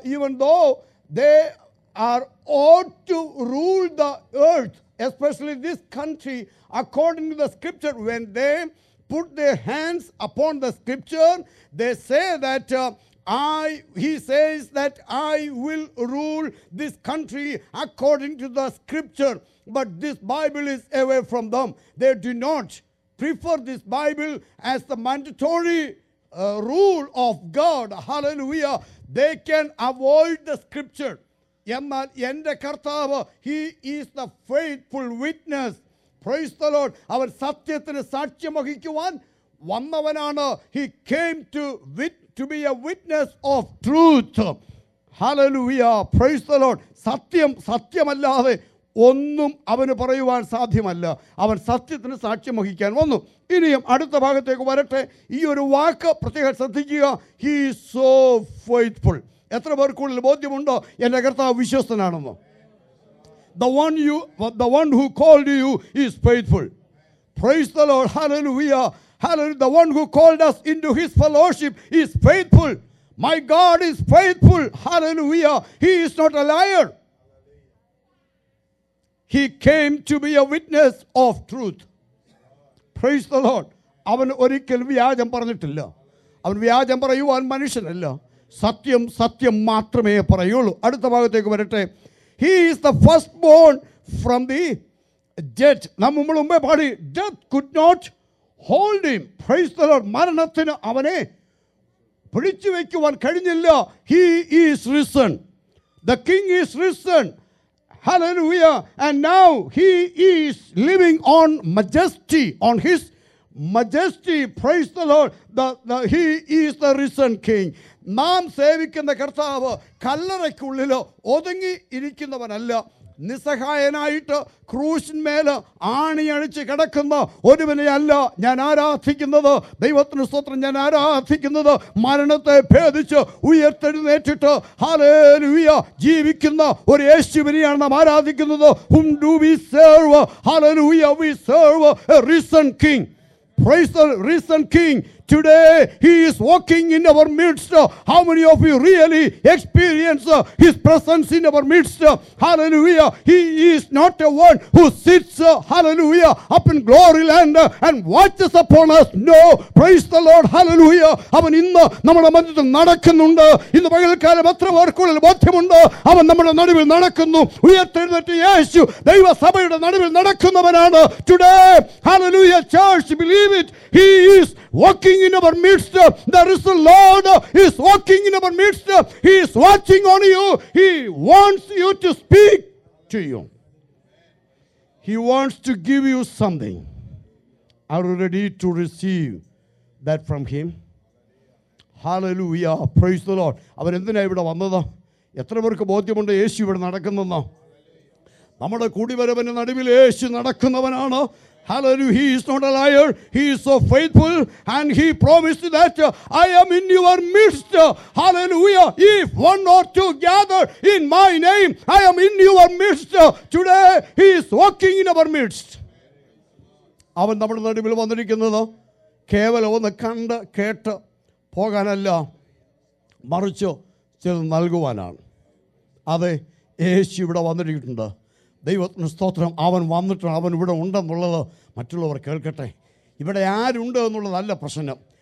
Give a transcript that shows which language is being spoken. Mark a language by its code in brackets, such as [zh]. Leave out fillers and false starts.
[en] Even though they are ought to rule the earth, especially this country, according to the scripture, when they put their hands upon the scripture, they say that I, he says that I will rule this country according to the scripture, but this Bible is away from them. They do not prefer this Bible as the mandatory rule of God. Hallelujah. They can avoid the scripture. [ml] Yemmal ende kartav, [en] he is the faithful witness. Praise the Lord. [ml] Avar satyathine sachyam vahikkuvan വന്നവനാണ്. [en] He came to be a witness of truth. Hallelujah, praise the Lord. [ml] സത്യം സത്യമല്ലാതെ ഒന്നും അവന് പറയുവാൻ സാധ്യമല്ല. അവൻ സത്യത്തിന് സാക്ഷ്യം വഹിക്കാൻ വന്നു. ഇനിയും അടുത്ത ഭാഗത്തേക്ക് വരട്ടെ. ഈ ഒരു വാക്ക് പ്രത്യേകം ശ്രദ്ധിക്കുക, [en] He so faithful. [ml] എത്ര പേർക്കുള്ളിൽ ബോധ്യമുണ്ടോ എൻ്റെ കർത്താവ് വിശ്വസ്തനാണെന്ന്? [en] The one who called you is faithful. Praise the Lord. Hallelujah. Hallelujah. The one who called us into his fellowship is faithful. My God is faithful. Hallelujah. He is not a liar. He came to be a witness of truth. Praise the Lord. [ml] അവൻ ഒരിക്കൽ വ്യാജം പറഞ്ഞിട്ടില്ല. അവൻ വ്യാജം പറയുവാൻ മനുഷ്യനല്ല. സത്യം സത്യം മാത്രമേ പറയുള്ളൂ. അടുത്ത ഭാഗത്തേക്ക് വരട്ടെ. [en] He is the firstborn from the dead. [ml] നമ്മൾ മുമ്പേ പാടി, [en] death could not hold him. Praise the Lord. [ml] മരണത്തിന് അവനെ പിടിച്ചു വയ്ക്കുവാൻ കഴിഞ്ഞില്ല. [en] He is risen. The king is risen. Hallelujah. And now he is living on majesty, on his majesty. Praise the Lord. He is the risen king. [ml] നാം സേവിക്കുന്ന കർത്താവ് കല്ലറയ്ക്കുള്ളിൽ ഒതുങ്ങി ഇരിക്കുന്നവനല്ല. നിസ്സഹായനായിട്ട് ക്രൂശിന്മേൽ ആണിയണിച്ച് കിടക്കുന്ന ഒരുവനെയല്ല ഞാൻ ആരാധിക്കുന്നത്. ദൈവത്തിന് സ്തോത്രം. ഞാൻ ആരാധിക്കുന്നത് മരണത്തെ ഭേദിച്ച് ഉയർത്തെഴുന്നേറ്റിട്ട് ഹല്ലേലൂയ ജീവിക്കുന്ന ഒരു യേശുവിനെയാണ് നാം ആരാധിക്കുന്നത്. [en] Whom do we serve? Hallelujah, we serve a risen king. Praise the risen king. Today he is walking in our midst. How many of you really experience his presence in our midst? Hallelujah. He is not the one who sits, hallelujah, up in glory land and watches upon us. No. Praise the Lord. Hallelujah. [ml] അവൻ ഇന്ന് നമ്മുടെ മധ്യത്തിൽ നടക്കുന്നുണ്ട്. ഇന്ന് പകൽക്കാലം എത്ര പേർക്കുള്ളിൽ ബോധ്യമുണ്ട്? അവൻ നമ്മുടെ നടുവിൽ നടക്കുന്നു. ഉയർത്തെഴുന്നേറ്റ യേശു ദൈവസഭയുടെ നടുവിൽ നടക്കുന്നവനാണ്. [en] Today, hallelujah, church, believe it. He is walking in our midst. There is a Lord. He is walking in our midst. He is watching on you. He wants you to speak to you. He wants to give you something. Are you ready to receive that from him? [ml] Hallelujah. [en] Praise the Lord. [ml] അവൻ എന്തിനാ ഇവിടെ വന്നത്? എത്ര പേർക്ക് ബോധ്യമുണ്ട് യേശു ഇവിടെ നടക്കുന്നെന്ന്? നമ്മുടെ കൂടിവരവൻ്റെ നടുവിൽ യേശു നടക്കുന്നവനാണ്. [en] Hallelujah. He is not a liar. He is so faithful. And he promised that I am in your midst. Hallelujah. If one or two gather in my name, I am in your midst. Today he is walking in our midst. [ml] അവൻ നമ്മുടെ നടുവിൽ വന്നിരിക്കുന്നത് കേവലം ഒന്ന് കണ്ട് കേട്ട് പോകാനല്ല, മറിച്ച് ചില നൽകുവാനാണ്. അതെ, യേശു ഇവിടെ വന്നിരിക്കുന്നുണ്ട്. ദൈവത്തിന് സ്തോത്രം. അവൻ വന്നിട്ടാണ്. അവൻ ഇവിടെ ഉണ്ടെന്നുള്ളത് മറ്റുള്ളവർ കേൾക്കട്ടെ. ഇവിടെ ആരുണ്ട് എന്നുള്ളതല്ല പ്രശ്നം.